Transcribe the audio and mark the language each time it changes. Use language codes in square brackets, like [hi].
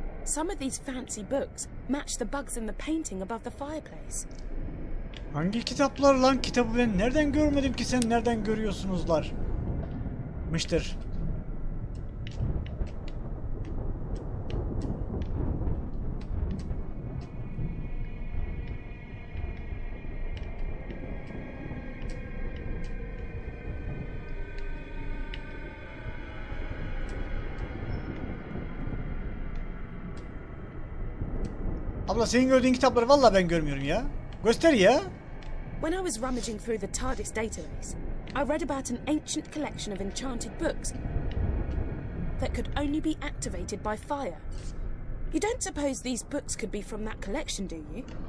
[en] Some of these fancy books match the bugs in the painting above the fireplace. [tr] Hangi kitaplar lan? Kitabı ben nereden görmedim ki, sen nereden görüyorsunuzlar? Mıştır. Abla, senin gördüğün kitapları vallahi ben görmüyorum ya. Göster ya. [en] When I was rummaging through the TARDIS database, I read about an ancient collection of enchanted books that could only be activated by fire. You don't suppose these books could be from that collection, do you?